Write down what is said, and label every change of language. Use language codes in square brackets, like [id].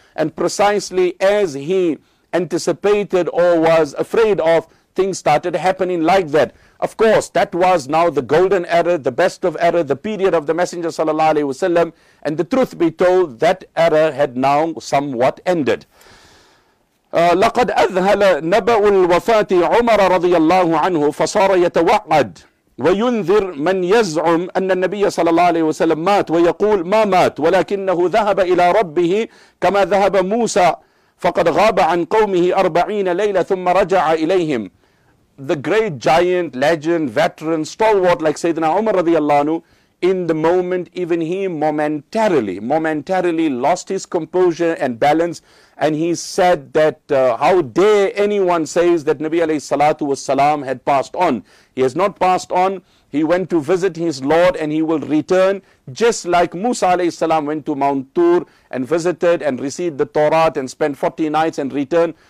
[en] And precisely as he anticipated or was afraid of, things started happening like that. Of course, that was now the golden era, the best of era, the period of the Messenger sallallahu alaihi wasallam. And the truth be told, that era had now somewhat ended. [ar] لقد أذهل نبأ الوفاة عمر رضي الله عنه فصار يتوعد وينذر من يزعم أن النبي صلى الله عليه وسلم مات ويقول ما مات ولكنه ذهب إلى ربه كما ذهب موسى فقد غاب عن قومه 40 ليلة ثم رجع إليهم [en] The great giant, legend, veteran, stalwart like Sayyidina Umar رضي الله عنه In the moment, even he momentarily lost his composure and balance. And he said that, how dare anyone says that Nabi alayhi salatu was salam had passed on. He has not passed on. He went to visit his Lord and he will return. Just like Musa alayhi salam went to Mount Tur and visited and received the Torah and spent 40 nights and returned.